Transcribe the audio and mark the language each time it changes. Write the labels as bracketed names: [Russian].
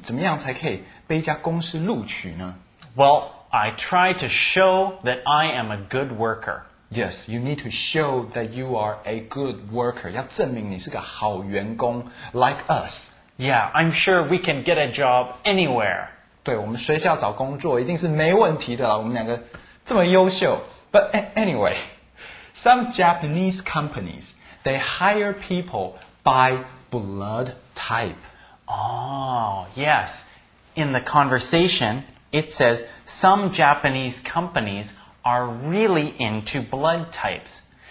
[Chinese] 怎么样才可以被一家公司录取呢 [English] Well,I try to show that I am a good worker. Yes, you need to show that you are a good worker. [Chinese] 要证明你是个好员工 [English] like us. Yeah, I'm sure we can get a job anywhere. [Chinese] 对我们随时要找工作一定是没问题的啦我们两个这么优秀。 [English] But anyway, some Japanese companies, they hire people by blood type. Oh, yes. In the conversation... It says, some Japanese companies are really into blood types.